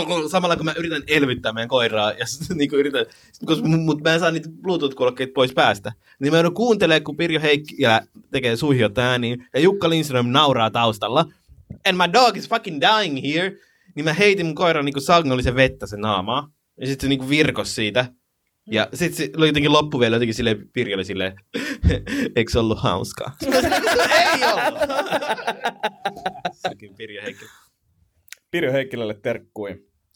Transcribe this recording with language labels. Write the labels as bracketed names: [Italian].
[Finnish] Samalla kun mä yritän elvyttää meidän koiraa, ja niin kuin yritän, koska mä en saa niitä Bluetooth-kuulokkeita pois päästä. Niin mä joudun kuuntelemaan, kun Pirjo Heikkilä tekee suihiota ääniin, ja Jukka Lindström nauraa taustalla. [English] And my dog is fucking dying here! [Finnish] Niin mä heitin mun koiran niin sangollisen vettä sen naamaa. Ja sit se niin virkos siitä. Ja sit se oli jotenkin loppu vielä jotenkin silleen Pirjolle silleen. Eikö se ollut hauskaa? Ei ollut! Sekin Pirjo Heikkilä. Pirjo Heikkilälle terkkui.